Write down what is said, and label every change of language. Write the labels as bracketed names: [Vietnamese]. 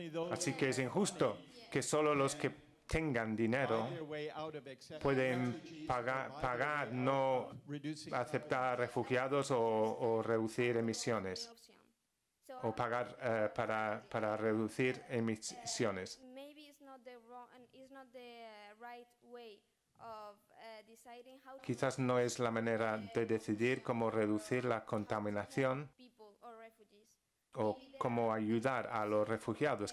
[Spanish] Así que es injusto que solo los que tengan dinero pueden pagar no aceptar refugiados o reducir emisiones. o pagar para reducir emisiones. [English] Maybe it's not the wrong and it's not the right way of deciding how. [Spanish] Quizás no es la manera de decidir cómo reducir la contaminación o cómo ayudar a los refugiados.